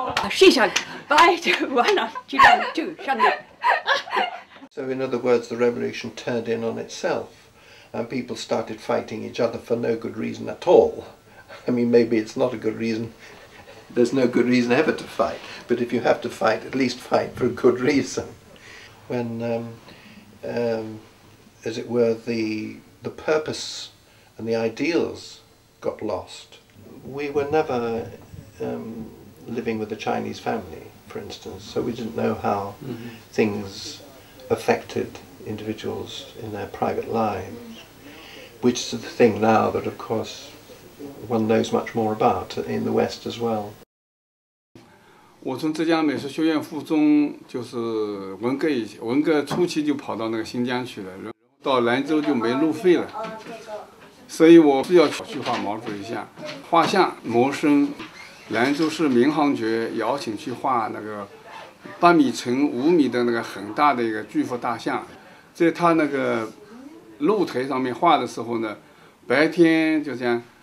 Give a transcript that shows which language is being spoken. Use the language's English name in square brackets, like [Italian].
[Chinese] 谁想摆就完了，就让就上了。 [English] So in other words, the revolution turned in on itself, and people started fighting each other for no good reason at all. I mean, maybe it's not a good reason. There's no good reason ever to fight. But if you have to fight, at least fight for a good reason. When, as it were, the purpose and the ideals got lost, we were never living with a Chinese family, for instance, so we didn't know how things affected individuals in their private lives, which is the thing now that, of course, one knows much more about in the West as well. [Chinese] 我从浙江美术学院附中，就是文革初期就跑到那个新疆去了，然后到兰州就没路费了，所以我是要去画毛主席像，画像谋生。兰州市民航局邀请去画那个八米乘五米的那个很大的一个巨幅大像，在他那个露台上面画的时候呢，白天就这样，